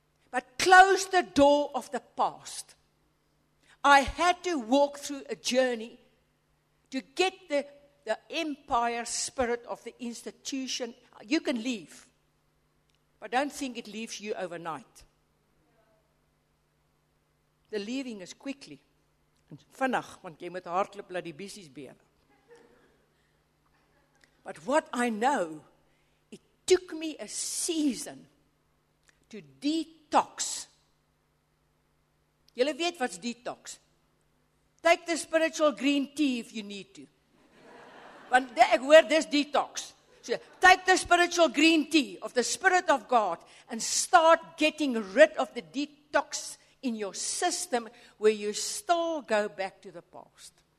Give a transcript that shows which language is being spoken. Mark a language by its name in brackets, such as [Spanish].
[English] But close the door of the past. I had to walk through a journey to get the empire spirit of the institution. You can leave, but don't think it leaves you overnight. The leaving is quickly. [Afrikaans] Vinnig, want jy moet hardloop laat die bissies bewe. [English] But what I know, it took me a season to detox. [Afrikaans] Julle weet wat's detox. [English] Take the spiritual green tea if you need to. [Afrikaans] Want ek hoor dis detox. [English] So, take the spiritual green tea of the Spirit of God and start getting rid of the detox in your system where you still go back to the past.